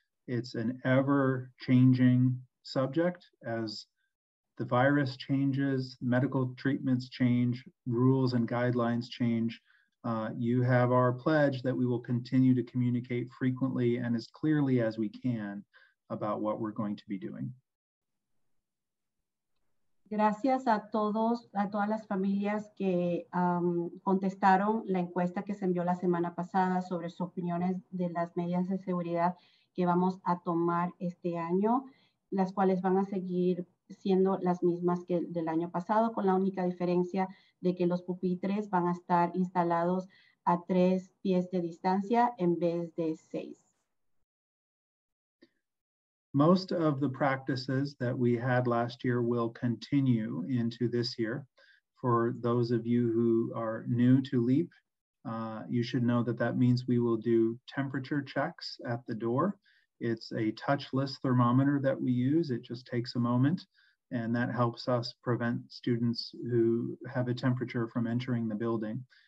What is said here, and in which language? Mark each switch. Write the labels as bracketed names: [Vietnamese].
[English] It's an ever-changing subject. As the virus changes, medical treatments change, rules and guidelines change, you have our pledge that we will continue to communicate frequently and as clearly as we can about what we're going to be doing. [Spanish] Gracias a todos, a todas las familias que contestaron la encuesta que se envió la semana pasada sobre sus opiniones de las medidas de seguridad que vamos a tomar este año, las cuales van a seguir siendo las mismas que del año pasado, con la única diferencia de que los pupitres van a estar instalados a 3 pies de distancia en vez de 6. [English] Most of the practices that we had last year will continue into this year. For those of you who are new to LEAP, you should know that that means we will do temperature checks at the door. It's a touchless thermometer that we use. It just takes a moment, and that helps us prevent students who have a temperature from entering the building.